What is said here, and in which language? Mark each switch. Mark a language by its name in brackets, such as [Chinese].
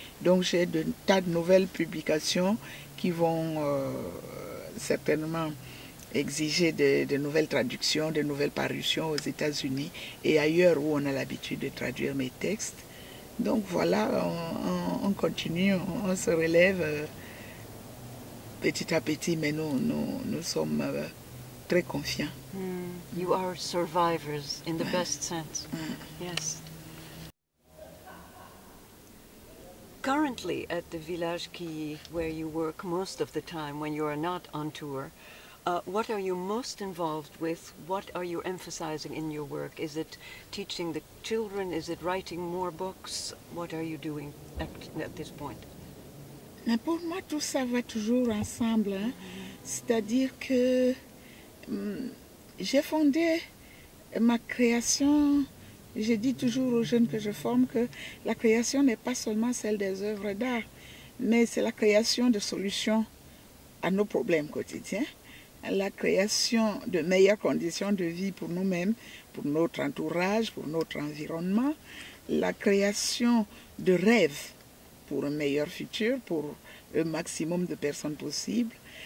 [French] Donc j'ai de tas de nouvelles publications qui vont certainement exiger de nouvelles traductions, de nouvelles parutions aux États-Unis et ailleurs où on a l'habitude de traduire mes textes. Donc voilà, on continue, on se relève. Petit à petit, mais nous sommes très confiants. Mm. [English] You are survivors in the best sense. Mm. Yes. Currently, at the village Quilly, where you work most of the time when you are not on tour, what are you most involved with? What are you emphasizing in your work? Is it teaching the children? Is it writing more books? What are you doing at this point? [French] Mais pour moi, tout ça va toujours ensemble. Hein. C'est-à-dire que j'ai fondé ma création. Je dis toujours aux jeunes que je forme que la création n'est pas seulement celle des œuvres d'art, mais c'est la création de solutions à nos problèmes quotidiens, la création de meilleures conditions de vie pour nous-mêmes, pour notre entourage, pour notre environnement, la création de rêves pour un meilleur futur, pour le maximum de personnes possibles.